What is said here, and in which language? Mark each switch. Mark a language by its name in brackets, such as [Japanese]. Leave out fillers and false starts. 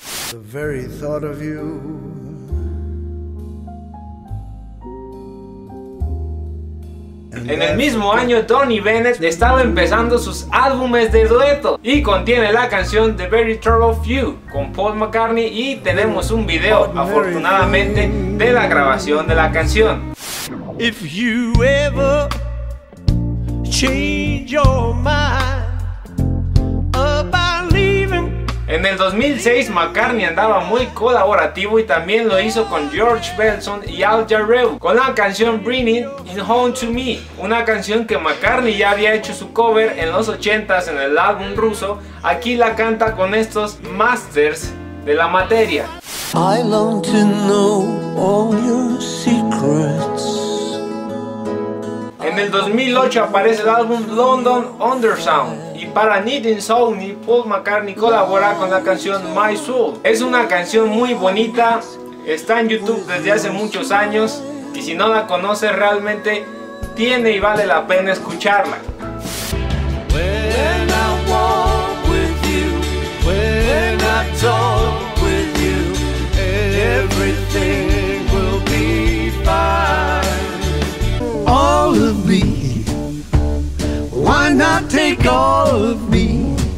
[English] The very thought of you [Spanish] En el mismo año, Tony Bennett estaba empezando sus álbumes de dueto y contiene la canción The Very Trouble of You con Paul McCartney, y tenemos un video, afortunadamente, de la grabación de la canción. [English] If you ever change your mind about leaving. [Spanish] En el 2006, McCartney andaba muy colaborativo y también lo hizo con George Benson y Al Jarreau con la canción Bring It Home to Me, una canción que McCartney ya había hecho su cover en los 80s en el álbum Ruso. Aquí la canta con estos masters de la materia. [English] I long to know all your secrets. [Spanish] En el 2008 aparece el álbum London Undersound, y para Need Insomni, Paul McCartney colabora con la canción My Soul. Es una canción muy bonita, está en YouTube desde hace muchos años, y si no la conoce, realmente tiene y vale la pena escucharla. [English] When I walk with you, when I talk with you, everything will be fine. All of me, why not take all of me?